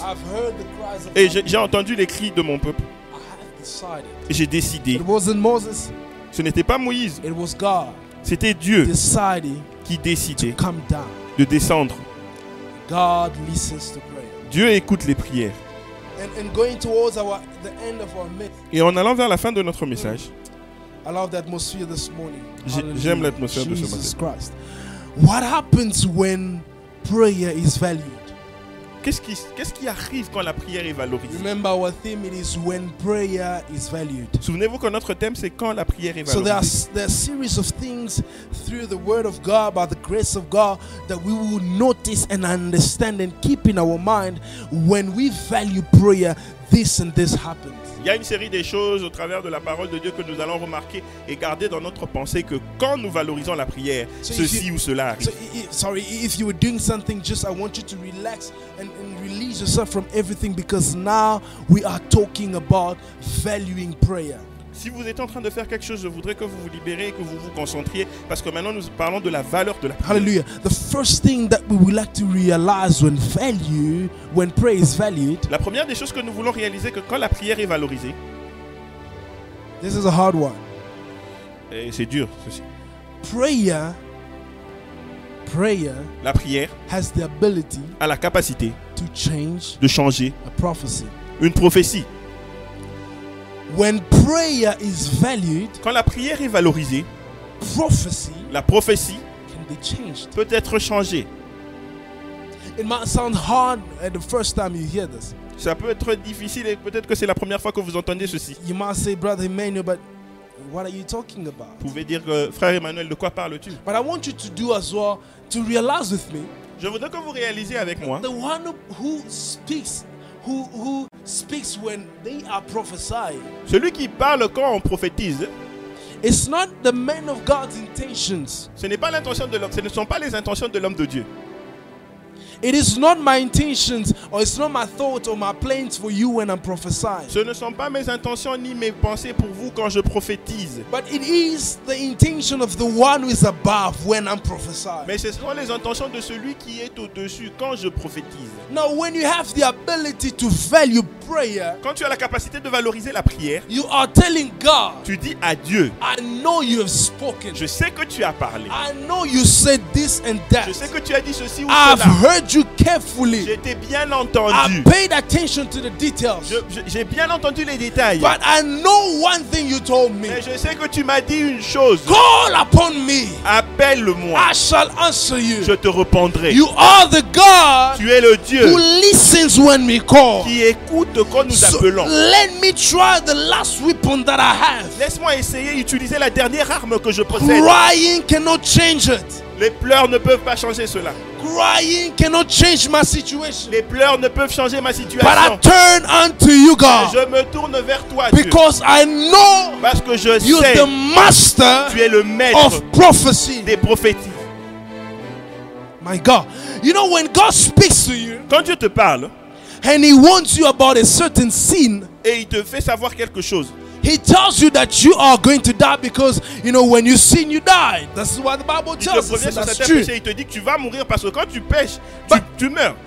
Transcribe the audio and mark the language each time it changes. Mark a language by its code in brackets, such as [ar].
[en] I've heard the cries of [fr] et j'ai entendu les cris de mon peuple. [en] I have decided. [fr] Et j'ai décidé. [en] It wasn't Moses. [fr] Ce n'était pas Moïse. [en] It was God. [fr] C'était Dieu [en] decided [fr] qui décidait [en] to come down, [fr] de descendre. [en] God listens to prayer. [fr] Dieu écoute les prières. [en] And going towards our, the end of our message. [fr] Et en allant vers la fin de notre message. [en] I love the atmosphere this morning. [fr] J'aime l'atmosphère [en] Jesus [fr] de ce matin. [en] Christ. What happens when prayer is valued? [fr] Qu'est-ce qui arrive quand la prière est valorisée? [en] Remember our theme, it is when prayer is valued. [fr] Souvenez-vous que notre thème c'est quand la prière est valorisée. [en] So there are series of things through the word of God, by the grace of God, that we will notice and understand and keep in our mind when we value prayer, this and this happens. [fr] Il y a une série des choses au travers de la parole de Dieu que nous allons remarquer et garder dans notre pensée que quand nous valorisons la prière, [en] so [fr] ceci [en] you, [fr] ou cela arrive. [en] Sorry, if you were doing something, just I want you to relax and release yourself from everything because now we are talking about valuing prayer. [fr] Si vous êtes en train de faire quelque chose, je voudrais que vous vous libérez, que vous vous concentriez parce que maintenant nous parlons de la valeur de la prière. Hallelujah. [en] The first thing that we would like to realize when value, when prayer is valued. [fr] La première des choses que nous voulons réaliser que quand la prière est valorisée. [en] This is a hard one. [fr] Et c'est dur ceci. [en] Prayer [fr] la prière [en] has the ability [fr] a la capacité [en] to change [fr] de changer [en] a prophecy. [fr] Une prophétie. [en] When prayer is valued, [fr] quand la prière est valorisée, [en] prophecy, [fr] la prophétie [en] can be changed. [fr] Peut être changée. [en] It might sound hard the first time you hear this. [fr] Ça peut être difficile et peut-être que c'est la première fois que vous entendez ceci. [en] You might say, Brother Emmanuel, but what are you talking about? [fr] Vous pouvez dire, Frère Emmanuel, de quoi parles-tu? [en] But I want you to do as well to realize with me. [fr] Je voudrais que vous réalisiez avec moi. [en] The one who speaks. Who speaks when they are prophesying? [fr] Celui qui parle quand on prophétise. [en] It's not the man of God's intentions. [fr] Ce n'est pas l'intention de l'homme. Ce ne sont pas les intentions de l'homme de Dieu. [en] It is not my intentions, or it's not my thoughts or my plans for you when I'm prophesying. [fr] Ce ne sont pas mes intentions ni mes pensées pour vous quand je prophétise. [en] But it is the intention of the one who is above when I'm prophesying. [fr] Mais ce sont les intentions de celui qui est au-dessus quand je prophétise. [en] Now, when you have the ability to value prayer, [fr] quand tu as la capacité de valoriser la prière, [en] you are telling God, [fr] tu dis à Dieu, [en] I know you have spoken. [fr] Je sais que tu as parlé. [en] I know you said this and that. [fr] Je sais que tu as dit ceci ou [en] I've [fr] cela. [en] Heard you carefully. [fr] J'ai bien entendu. [en] I paid attention to the details. [fr] J'ai bien entendu les détails. [en] But I know one thing you told me. [fr] Mais je sais que tu m'as dit une chose. [en] Call upon me. [fr] Appelle-moi. [en] I shall answer you. [fr] Je te répondrai. [en] You are the God. [fr] Tu es le Dieu. [en] Who listens when we call. [fr] Qui écoute quand nous appelons. [en] So let me try the last weapon that I have. [fr] Laisse-moi essayer d'utiliser la dernière arme que je possède. [en] Crying cannot change it. [fr] Les pleurs ne peuvent pas changer cela. [en] Crying cannot change my situation. [fr] Les pleurs ne peuvent changer ma situation. [en] But I turn unto you, God. [fr] Je me tourne vers toi, [en] because [fr] Dieu. [en] I know, [fr] parce que je [en] you're [fr] sais [en] the master, [fr] tu es le maître [en] of prophecy, [fr] des prophéties. [en] My God, you know when God speaks to you, [fr] quand Dieu te parle, [en] and He warns you about a certain sin, [fr] et il te fait savoir quelque chose. [en] He tells you that you are going to die because, you know, when you sin, you die. That's what the Bible tells us. That's true. [fr] Il te dit que tu vas mourir parce que quand tu pèches, tu meurs.